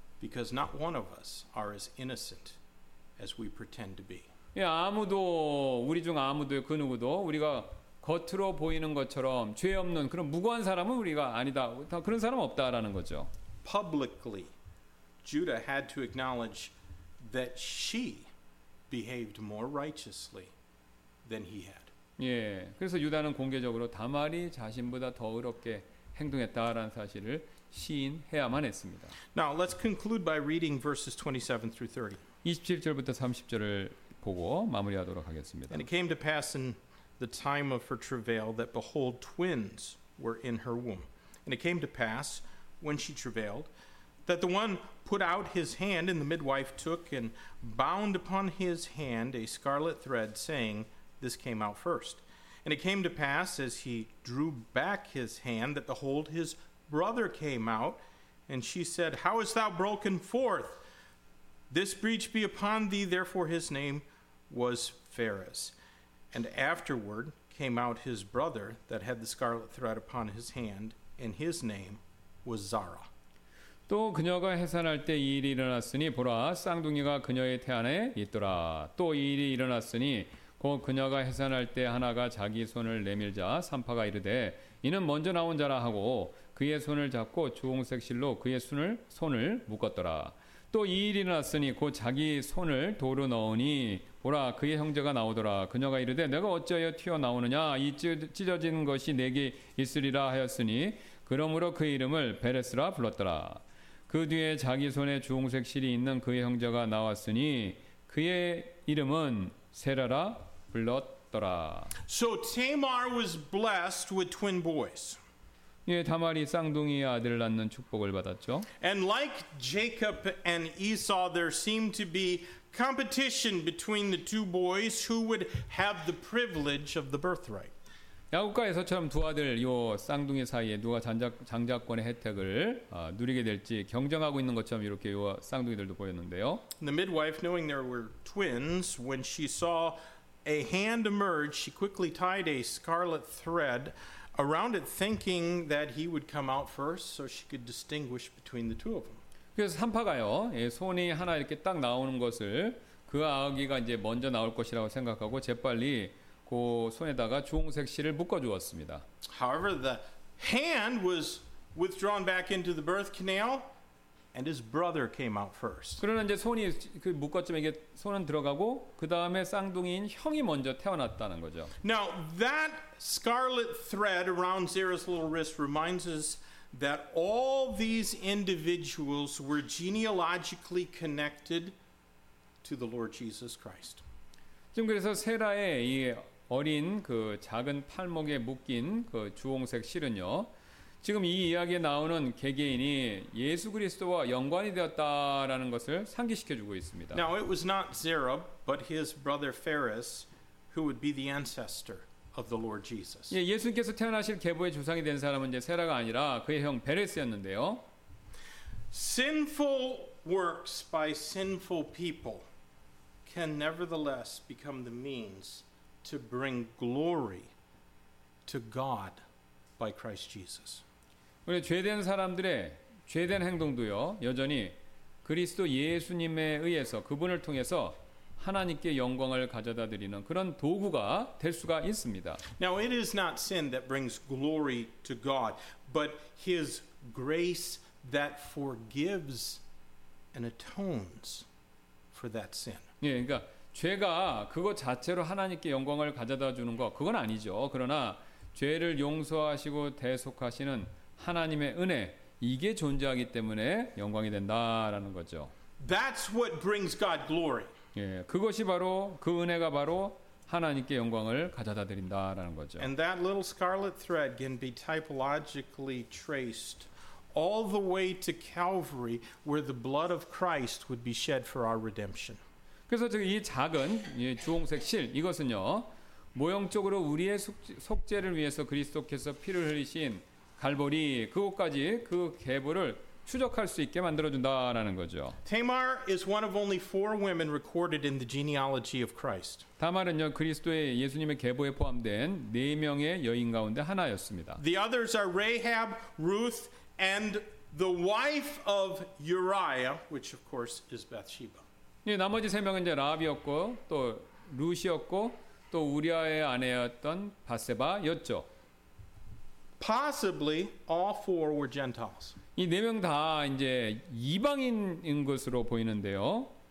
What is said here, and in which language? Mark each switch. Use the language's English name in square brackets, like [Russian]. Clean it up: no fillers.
[English] Because not one of us are as innocent as we pretend to be. [Korean] 예, 아무도 우리 중 아무도 그 누구도 우리가 겉으로 보이는 것처럼 죄 없는 그런 무고한 사람은 우리가 아니다. 다 그런 사람 없다라는 거죠. [English] Publicly, Judah had to acknowledge that she behaved more righteously than he had. [Korean] 예, 그래서 유다는 공개적으로 다말이 자신보다 더 의롭게 행동했다라는 사실을 시인해야만 했습니다. [English] Now let's conclude by reading verses 27 through 30. [Korean] 27절부터 30절을 보고 마무리하도록 하겠습니다. [English] And it came to pass in the time of her travail that behold twins were in her womb. And it came to pass when she travailed that the one put out his hand and the midwife took and bound upon his hand a scarlet thread saying this came out first. And it came to pass as he drew back his hand that behold his brother came out, and she said, How hast thou broken forth? This breach be upon thee. Therefore his name was Phares. And afterward came out his brother that had the scarlet thread upon his hand, and his name was Zara. [Korean] 또 그녀가 해산할 때 이 일이 일어났으니 보라 쌍둥이가 그녀의 태 안에 있더라. 또 이 일이 일어났으니 곧 그녀가 해산할 때 하나가 자기 손을 내밀자 산파가 이르되 이는 먼저 나온 자라 하고 그의 손을 잡고 주홍색 실로 그의 손을 묶었더라. 또 이 일이 났으니 곧 자기 손을 도로 넣으니 보라 그의 형제가 나오더라. 그녀가 이르되 내가 어찌하여 튀어나오느냐 이 찢어진 것이 내게 있으리라 하였으니 그러므로 그 이름을 베레스라 불렀더라. 그 뒤에 자기 손에 주홍색 실이 있는 그의 형제가 나왔으니 그의 이름은 세라라 불렀더라. [English] So Tamar was blessed with twin boys. [Korean] 예, 다말이 쌍둥이 아들을 낳는 축복을 받았죠. [English] And like Jacob and Esau, there seemed to be competition between the two boys who would have the privilege of the birthright. [Korean] 야곱과 에서처럼 두 아들 요 쌍둥이 사이에 누가 장자권의 혜택을 누리게 될지 경쟁하고 있는 것처럼 이렇게 요 쌍둥이들도 보였는데요. [English] The midwife, knowing there were twins, when she saw a hand emerge, she quickly tied a scarlet thread around it, thinking that he would come out first, so she could distinguish between the two of them. [Korean] 그래서 산파가요, 예, 손이 하나 이렇게 딱 나오는 것을 그 아기가 이제 먼저 나올 것이라고 생각하고 재빨리 그 손에다가 주홍색 실을 묶어주었습니다. [English] However, the hand was withdrawn back into the birth canal, and his brother came out first. [Korean] 그러나 이제 손이 그 묶었지만 이게 손은 들어가고 그 다음에 쌍둥이인 형이 먼저 태어났다는 거죠. [English] Now that scarlet thread around Zerah's little wrist reminds us that all these individuals were genealogically connected to the Lord Jesus Christ. [Korean] 지금 그래서 세라의 이 어린 그 작은 팔목에 묶인 그 주홍색 실은요. 지금 이 이야기에 나오는 개개인이 예수 그리스도와 연관이 되었다라는 것을 상기시켜 주고 있습니다. [English] Now it was not Zerah but his brother Pharez who would be the ancestor of the Lord Jesus. [Korean] 예, 예수님께서 태어나실 계보의 조상이 된 사람은 이제 세라가 아니라 그의 형 베레스였는데요. [English] Sinful works by sinful people can nevertheless become the means to bring glory to God by Christ Jesus. [Korean] 우리 죄된 사람들의 죄된 행동도요 여전히 그리스도 예수님에 의해서 그분을 통해서 하나님께 영광을 가져다 드리는 그런 도구가 될 수가 있습니다. [English] Now it is not sin that brings glory to God, but His grace that forgives and atones for that sin. [Korean] 예, 그러니까 죄가 그것 자체로 하나님께 영광을 가져다 주는 거 그건 아니죠. 그러나 죄를 용서하시고 대속하시는 하나님의 은혜 이게 존재하기 때문에 영광이 된다라는 거죠. [English] That's what brings God glory. [Korean] 예, 그것이 바로 그 은혜가 바로 하나님께 영광을 가져다 드린다라는 거죠. [English] And that little scarlet thread can be typologically traced all the way to Calvary where the blood of Christ would be shed for our redemption. [Korean] 그래서 지금 이 작은 주홍색 실 이것은요 모형적으로 우리의 속죄를 위해서 그리스도께서 피를 흘리신 갈보리 그곳까지 그 계보를 추적할 수 있게 만들어준다라는 거죠. [English] Tamar is one of only four women recorded in the genealogy of Christ. [Korean] 다말은요 그리스도의 예수님의 계보에 포함된 네 명의 여인 가운데 하나였습니다. [English] The others are Rahab, Ruth, and the wife of Uriah, which of course is Bathsheba. [Korean] 예, 나머지 세 명은 이제 라합이었고 또 룻이었고 또 우리아의 아내였던 바세바였죠. [English] Possibly all four were Gentiles. [Korean] 이 네 명 다 이제 이방인인 것으로 보이는데요.